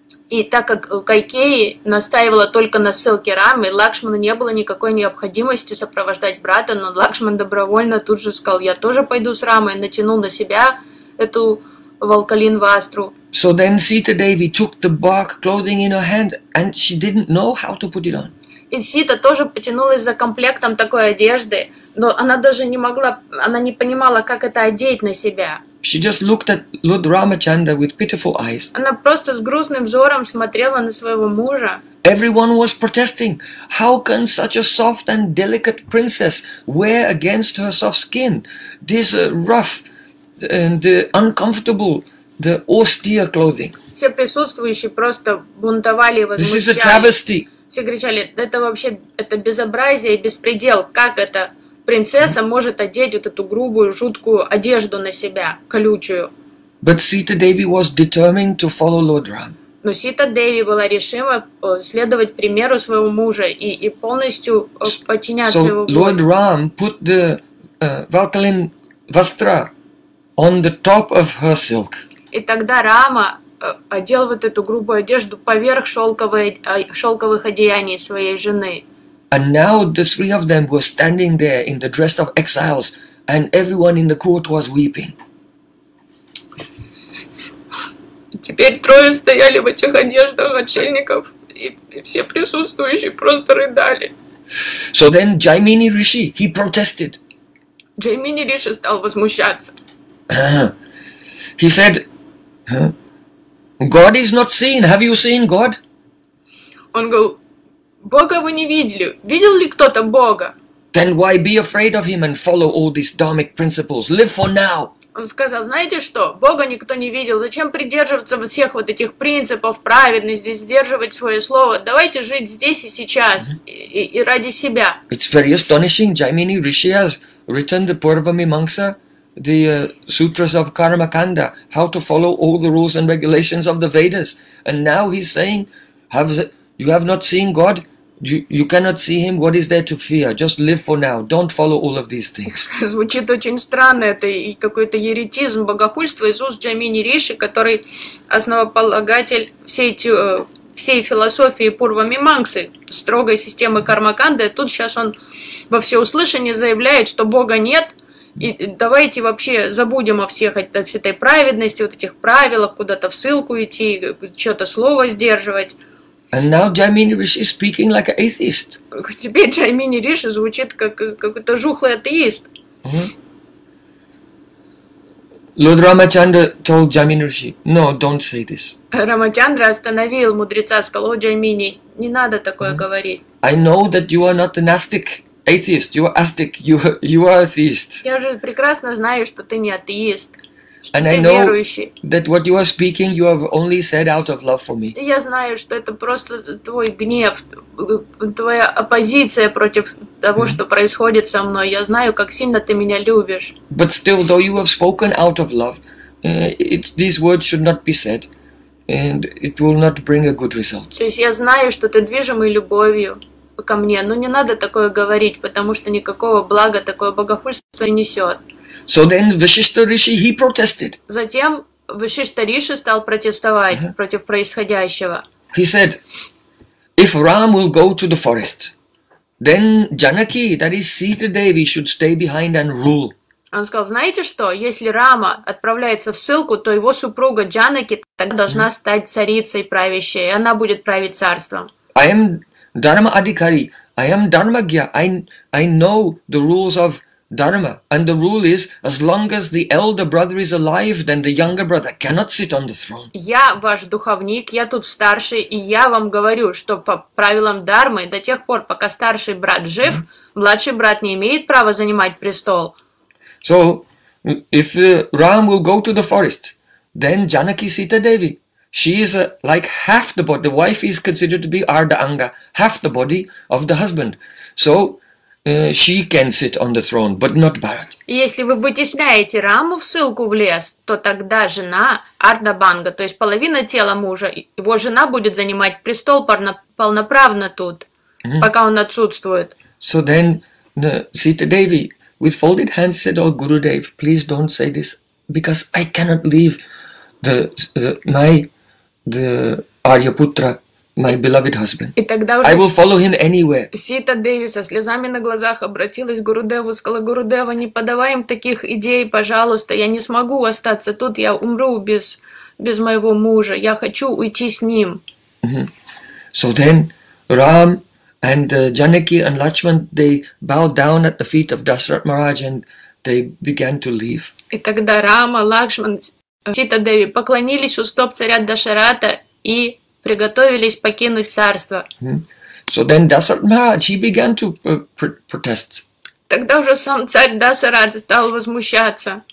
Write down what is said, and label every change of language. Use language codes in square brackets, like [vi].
[ru] И так как Кайкеи настаивала только на ссылке Рамы, Лакшману не было никакой необходимости сопровождать брата, но Лакшман добровольно тут же сказал, я тоже пойду с Рамой, натянул на себя эту волколин вастру. [en] So then Sita Devi took the bark clothing in her hand and she didn't know how to put it on. [ru] И Сита тоже потянулась за комплектом такой одежды, но она даже не могла, она не понимала, как это одеть на себя. [en] She just looked at Lord Ramachandra with pitiful eyes. [ru] Она просто с грустным взором смотрела на своего мужа. [en] Everyone was protesting. How can such a soft and delicate princess wear against her soft skin this rough and uncomfortable, the austere clothing? [ru] Все присутствующие просто бунтовали и возмущались. [en] This is a travesty. [ru] Все кричали, это вообще это безобразие и беспредел. Как это принцесса может одеть вот эту грубую, жуткую одежду на себя, колючую? [en] But Sita Devi was determined to follow Lord Ram. [ru] Но Сита Деви была решима следовать примеру своего мужа и полностью подчиняться [en] so [ru] его воле. [en] Lord Ram put the Valkalin Vastra on the top of her silk. [ru] И тогда Рама одел вот эту грубую одежду поверх шелковых одеяний своей жены. [en] And now the three of them were standing there in the dress of exiles, and everyone in the court was weeping. [ru] Теперь трое стояли в этих одеждах отшельников, и все присутствующие просто рыдали. [en] So then Jaimini Rishi, he protested. [ru] Jaimini Rishi стал возмущаться. [en] He said, God is not seen. Have you seen God? [ru] Он говорил, Бога вы не видели. Видел ли кто-то Бога? [en] Then why be afraid of him and follow all these dharmic principles? Live for now. [ru] Он сказал, знаете что, Бога никто не видел, зачем придерживаться всех вот этих принципов, праведности, сдерживать свое слово, давайте жить здесь и сейчас, и ради себя. [en] It's very astonishing, Jaimini Rishi has written the Purvamimamsa, the sutras of Karmakanda, how to follow all the rules and regulations of the Vedas, and now he's saying, you have not seen God? You cannot see him. What is there to fear? Just live for now. Don't follow all of these things. [ru] Звучит очень странно. Это какой-то еретизм, богохульство. Иисус Джамини Риши, который основополагатель всей философии Пурва-мимамсы, строгой системы Кармаканды, тут сейчас он во всеуслышание заявляет, что Бога нет. И давайте вообще забудем о всех всей этой праведности, вот этих правилах, куда-то в ссылку идти, что-то слово сдерживать. [en] And now Jaimini Rishi is speaking like an atheist. [ru] Теперь Jaimini Rishi звучит как какой-то жухлый атеист. [en] Lord Ramachandra told Jaimini Rishi, "No, don't say this." [ru] Рамачандра остановил мудреца, сказал: "О, Jaimini, не надо такое говорить." [en] I know that you are not an astic atheist. You are astic. You are atheist. [ru] Я же прекрасно знаю, что ты не атеист. [en] And I know that what you are speaking, you have only said out of love for me. [ru] Я знаю, что это просто твой гнев, твоя оппозиция против того, что происходит со мной. Я знаю, как сильно ты меня любишь. [en] But still, though you have spoken out of love, these words should not be said, and it will not bring a good result. [ru] То есть я знаю, что ты движимый любовью ко мне, но не надо такое говорить, потому что никакого блага такое богохульство не несет. [en] So then Vishishta Rishi, he protested. [ru] Затем Вишишта Риши стал протестовать против происходящего. [en] He said, if Ram will go to the forest, then Janaki, that is Sita Devi, should stay behind and rule. [ru] Он сказал, знаете что, если Рама отправляется в ссылку, то его супруга Джанаки тогда должна стать царицей правящей, и она будет править царством. [en] I am Dharma Adhikari, I am Dharmagya, I know the rules of Dharma, and the rule is, as long as the elder brother is alive, then the younger brother cannot sit on the throne. [ru] Я ваш духовник, я тут старший, и я вам говорю, что по правилам дармы, до тех пор, пока старший брат жив, младший брат не имеет права занимать престол. [en] So, if Ram will go to the forest, then Janaki Sita Devi, she is like half the body, the wife is considered to be Ardha Anga, half the body of the husband. So, she can sit on the throne, but not Bharat. [ru] Если вы вытесняете Раму в ссылку в лес, то тогда жена Ардха Банга, то есть половина тела мужа, его жена будет занимать престол полноправно тут, пока он отсутствует. [en] So then Sita Devi, with folded hands, said, "Oh Gurudev, please don't say this, because I cannot leave the Aryaputra." My beloved husband. I will follow him anywhere. [ru] Сита Деви со слезами на глазах обратилась к Гурудеву, сказала: Гурудева, не подавай им таких идей, пожалуйста. Я не смогу остаться тут, я умру без моего мужа. Я хочу уйти с ним. [en] So then Ram and Janaki and Lakshman, they bowed down at the feet of Dasarath Maharaj and they began to leave. [ru] И тогда Рама, Лакшман, Сита Деви поклонились у стоп царя Дашарата и приготовились покинуть царство. [en] So then Dasarath Maharaj, he began to protest. [ru] Тогда уже сам царь Дасарат стал возмущаться.